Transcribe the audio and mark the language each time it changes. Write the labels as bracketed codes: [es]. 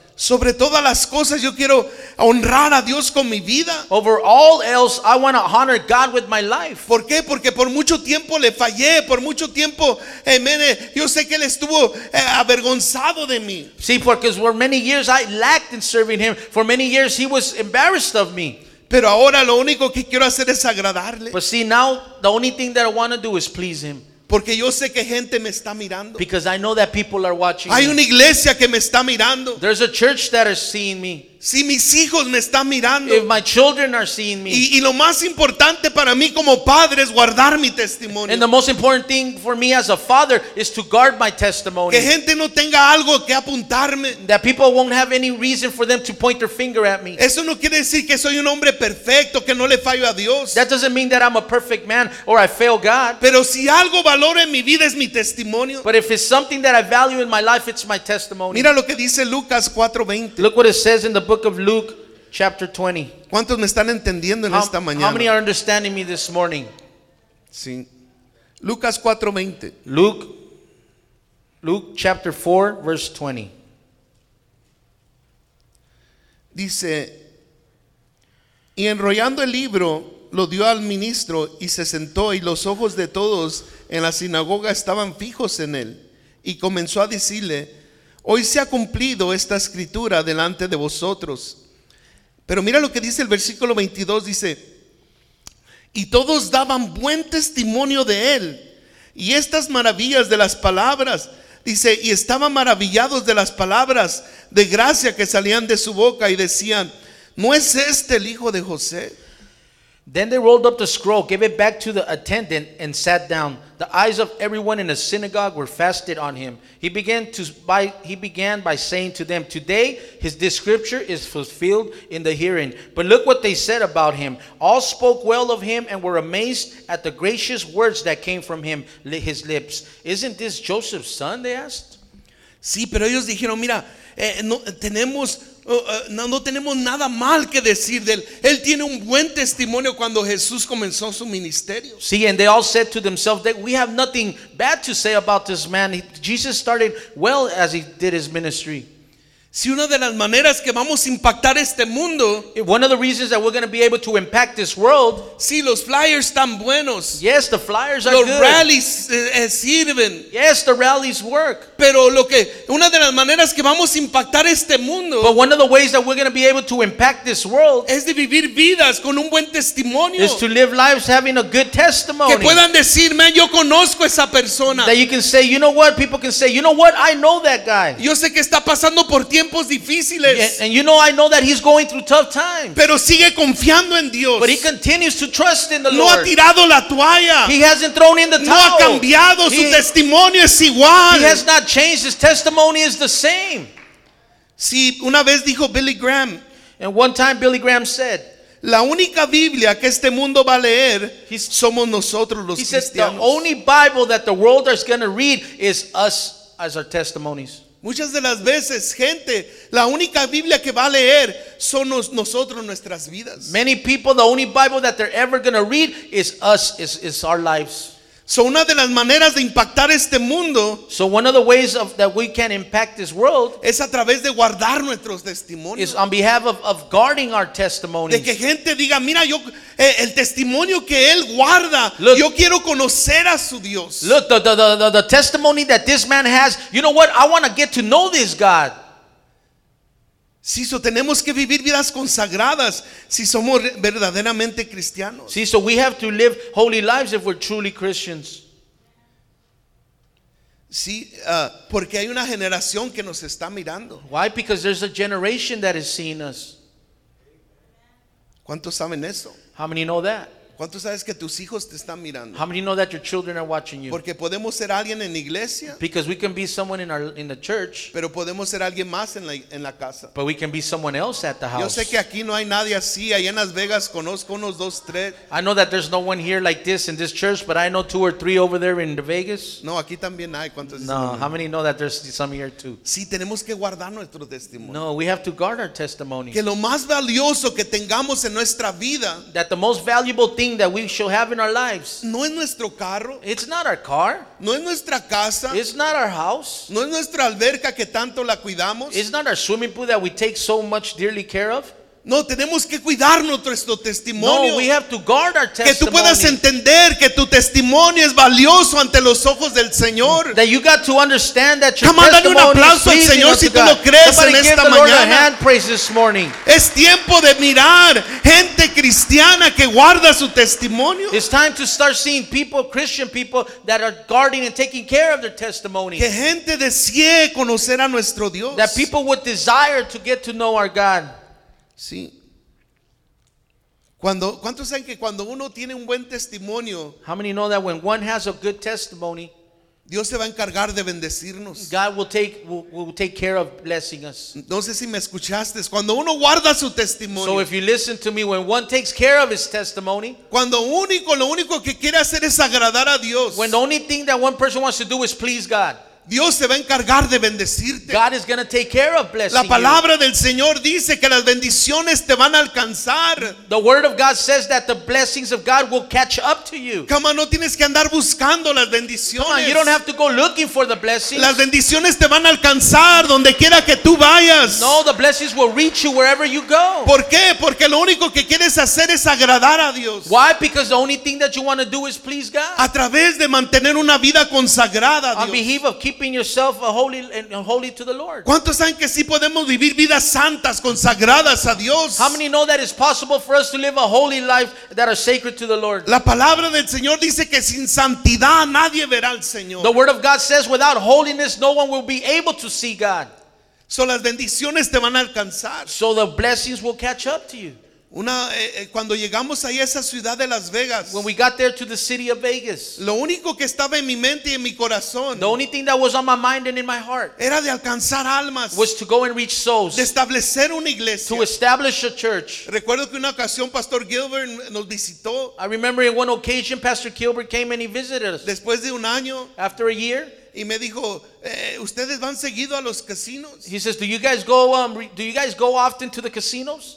[es] Sobre todas las cosas yo quiero honrar a Dios con mi vida. [en] Over all else I want to honor God with my life. [es] ¿Por qué? Porque por mucho tiempo le fallé, por mucho tiempo, amen, yo sé que él estuvo avergonzado de mí. [en] See, because for many years I lacked in serving him. For many years he was embarrassed of me. [es] Pero ahora lo único que quiero hacer es agradarle. [en] But see, now the only thing that I want to do is please him. [es] Porque yo sé que gente me está mirando. [en] Because I know that people are watching. [es] Hay una iglesia que me está mirando. [en] There's a church that is seeing me. [es] Si mis hijos me están mirando. [en] If my children are seeing me. [es] Y lo más importante para mí como padre es guardar mi testimonio. [en] And the most important thing for me as a father is to guard my testimony. [es] Que gente no tenga algo que apuntarme. [en] That people won't have any reason for them to point their finger at me. [es] Eso no quiere decir que soy un hombre perfecto, que no le fallo a Dios. [en] That doesn't mean that I'm a perfect man or I fail God. [es] Pero si algo valoro en mi vida es mi testimonio. [en] But if it's something that I value in my life, it's my testimony. [es] Mira lo que dice Lucas 4:20. [en] Look what it says in the book of Luke chapter 20. [es] ¿Cuántos me están entendiendo en esta mañana? [en] How many are understanding me this morning? [es] Sí. Lucas 4:20. [en] Luke chapter 4 verse 20. [es] Dice, y enrollando el libro lo dio al ministro y se sentó, y los ojos de todos en la sinagoga estaban fijos en él, y comenzó a decirle, hoy se ha cumplido esta escritura delante de vosotros. Pero mira lo que dice el versículo 22, dice, y todos daban buen testimonio de él, y estas maravillas de las palabras, dice, y estaban maravillados de las palabras de gracia que salían de su boca, y decían, ¿no es este el hijo de José? [en] Then they rolled up the scroll, gave it back to the attendant, and sat down. The eyes of everyone in the synagogue were fastened on him. He began by saying to them, "Today this scripture is fulfilled in the hearing." But look what they said about him. All spoke well of him and were amazed at the gracious words that came from him, his lips. "Isn't this Joseph's son?" they asked. [es] Sí, pero ellos dijeron, mira, no tenemos nada mal que decir de él. Él tiene un buen testimonio cuando Jesús comenzó su ministerio. [en] See, and they all said to themselves that we have nothing bad to say about this man. Jesus started well as he did his ministry. [es] Si una de las maneras que vamos a impactar este mundo, [en] one of the reasons that we're going to be able to impact this world, [es] si los flyers están buenos, [en] yes, the flyers are [es] los [en] good. [es] Los rallies sirven, [en] yes, the rallies work. [es] Pero lo que una de las maneras que vamos a impactar este mundo, [en] but one of the ways that we're going to be able to impact this world, [es] es de vivir vidas con un buen testimonio, [en] is to live lives having a good testimony. [es] Que puedan decir, man, yo conozco esa persona. [en] That you can say, you know what? People can say, you know what? I know that guy. [es] Yo sé que está pasando por tiempos difíciles. [en] And you know, I know that he's going through tough times. [es] Pero sigue confiando en Dios. [en] But he continues to trust in the [es] no [en] Lord. [es] Ha tirado la toalla. [en] He hasn't thrown in the towel. [es] No ha cambiado. Su testimonio es igual. [en] He has not changed. His testimony is the same. [es] Sí, una vez dijo Billy Graham. [en] And one time Billy Graham said, [es] la única Biblia que este mundo va a leer somos nosotros los cristianos. [en] He said, the only Bible that the world is going to read is us as our testimonies. [es] Muchas de las veces, gente, la única Biblia que va a leer son nosotros, nuestras vidas. [en] Many people, the only Bible that they're ever going to read is us, is our lives. [es] So una de las maneras de impactar este mundo, [en] so one of the ways of, that we can impact this world, [es] es a través de guardar nuestros testimonios. [en] Is on behalf of guarding our testimonies. [es] De que gente diga, mira, yo el testimonio que él guarda, [en] look, [es] yo quiero conocer a su Dios. [en] Look, the testimony that this man has, you know what? I want to get to know this God. [es] Sí, so tenemos que vivir vidas consagradas si somos verdaderamente cristianos. [en] See, so we have to live holy lives if we're truly Christians. [es] Sí, porque hay una generación que nos está mirando. [en] Why? Because there's a generation that is seeing us. [es] ¿Cuántos saben eso? [en] How many know that? [es] ¿Cuántos sabes que tus hijos te están mirando? [en] How many know that your children are watching you? [es] Porque podemos ser alguien en iglesia. [en] Because we can be someone in our in the church. [es] Pero podemos ser alguien más en la casa. [en] But we can be someone else at the house. [es] Yo sé que aquí no hay nadie así. Allá en Las Vegas conozco unos dos tres. [en] I know that there's no one here like this in this church, but I know two or three over there in Vegas. [es] No, aquí también hay. ¿Cuántos? [en] No, how many know that there's some here too? [es] Sí, tenemos que guardar nuestro testimonio. [en] No, we have to guard our testimony. [es] Que lo más valioso que tengamos en nuestra vida, [en] that the most valuable thing that we shall have in our lives, [es] no es nuestro carro, [en] it's not our car, [es] no es nuestra casa, [en] it's not our house, [es] no es nuestra alberca que tanto la cuidamos, [en] it's not our swimming pool that we take so much dearly care of. [es] No, tenemos que cuidar nuestro testimonio. [en] No, we have to guard our testimony. [es] Que tú puedas entender que tu testimonio es valioso ante los ojos del Señor. [en] That you got to understand that your testimony is valuable. Come on, [es] dale un aplauso al Señor si tú lo crees. [en] Somebody [es] en [en] give [es] esta [en] the [es] mañana. [en] Lord a hand praise this morning. [es] Es tiempo de mirar gente cristiana que guarda su testimonio. [en] It's time to start seeing people, Christian people, that are guarding and taking care of their testimony. [es] Que gente desee conocer a nuestro Dios. [en] That people would desire to get to know our God. [es] Sí. ¿Cuántos saben que cuando uno tiene un buen testimonio? [en] How many know that when one has a good testimony, [es] Dios se va a encargar de bendecirnos. [en] God will take care of blessing us. [es] No sé si me escuchaste. Cuando uno guarda su testimonio. [en] So if you listen to me, when one takes care of his testimony. [es] Cuando lo único que quiere hacer es agradar a Dios. [en] When the only thing that one person wants to do is please God. [es] Dios se va a encargar de bendecirte. [en] God is going to take care of blessing you. [es] La palabra [en] you. [es] Del Señor dice que las bendiciones te van a alcanzar. [en] The word of God says that the blessings of God will catch up to you. Come on, [es] no tienes que andar buscando las bendiciones. [en] Come on, you don't have to go looking for the blessings. [es] Las bendiciones te van a alcanzar donde quiera que tú vayas. [en] No, the blessings will reach you wherever you go. [es] ¿Por qué? Porque lo único que quieres hacer es agradar a Dios. [en] Why? Because the only thing that you want to do is please God. [es] A través de mantener una vida consagrada a Dios. [en] Keeping yourself holy to the Lord. [es] ¿Cuántos saben que sí podemos vivir vidas santas, consagradas a Dios? [en] How many know that it's possible for us to live a holy life that are sacred to the Lord? [es] La palabra del Señor dice que sin santidad nadie verá al Señor. [en] The word of God says without holiness no one will be able to see God. [es] So las bendiciones te van a alcanzar. [en] So the blessings will catch up to you. [es] Cuando llegamos ahí a esa ciudad de Las Vegas, [en] when we got there to the city of Vegas, [es] lo único que estaba en mi mente y en mi corazón, [en] the only thing that was on my mind and in my heart, [es] era de alcanzar almas, [en] was to go and reach souls, [es] de establecer una iglesia, [en] to establish a church. [es] Recuerdo que una ocasión Pastor Gilbert nos visitó. [en] I remember in one occasion Pastor Gilbert came and he visited us. [es] Después de un año, [en] after a year, [es] y me dijo, ¿ustedes van seguido a los casinos? [en] He says, do you guys go often to the casinos?